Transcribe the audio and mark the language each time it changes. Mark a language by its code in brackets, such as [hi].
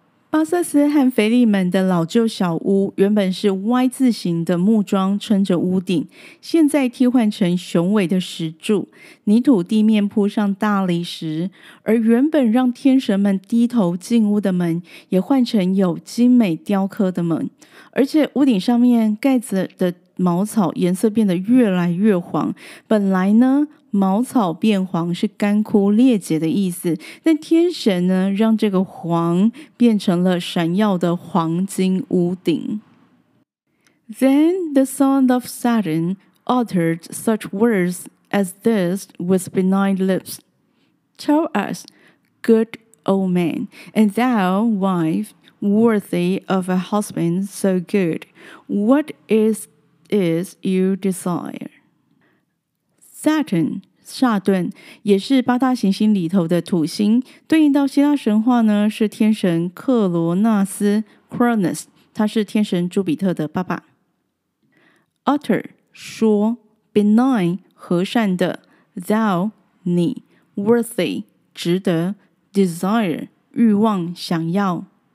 [zh] 巴瑟斯和腓力门的老旧小屋原本是 Y 字形的木桩撑着屋顶，现在替换成雄伟的石柱，泥土地面铺上大理石，而原本让天神们低头进屋的门也换成有精美雕刻的门，而且屋顶上面盖子的茅草颜色变得越来越黄。本来呢，茅草变黄是干枯裂解的意思，但天神呢，让这个黄变成了闪耀的黄金屋顶。 [en] Then the son of Saturn uttered such words as this with benign lips. Tell us, good old man, and thou, wife, worthy of a husband so good, what is you desire? Saturn. [zh] 萨顿也是八大行星里头的土星，对应到希腊神话呢，是天神克罗纳斯 Cronus， 他是天神朱比特的爸爸。 Utter 说 ，benign 和善的 ，thou 你 ，worthy 值得 ，desire 欲望想要。